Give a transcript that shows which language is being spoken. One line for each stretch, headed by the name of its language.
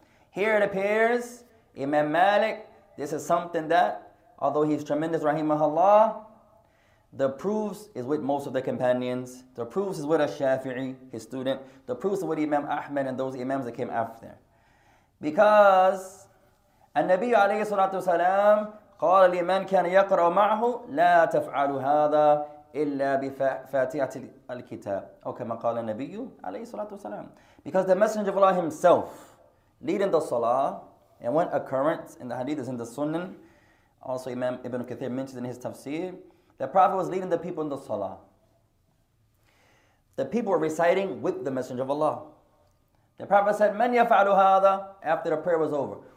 English: Here it appears, Imam Malik, this is something that, although he's tremendous, rahimahullah, the proofs is with most of the companions. The proofs is with Al-Shafi'i, his student. The proofs is with Imam Ahmed and those imams that came after.
Arabic: Because, النبي عليه الصلاة والسلام قال لمن كان يقرأ معه لا تفعل هذا إلا بفاتحة الكتاب. كما قال النبي عليه الصلاة والسلام.
English: Because the Messenger of Allah himself, leading the salah, and one occurrence in the hadith is in the sunnan, also Imam Ibn Kathir mentions in his tafsir, the Prophet was leading the people in the salah. The people were reciting with the Messenger of Allah. The Prophet said,
Arabic: "Man yafa'alu hadha,"
English: after the prayer was over.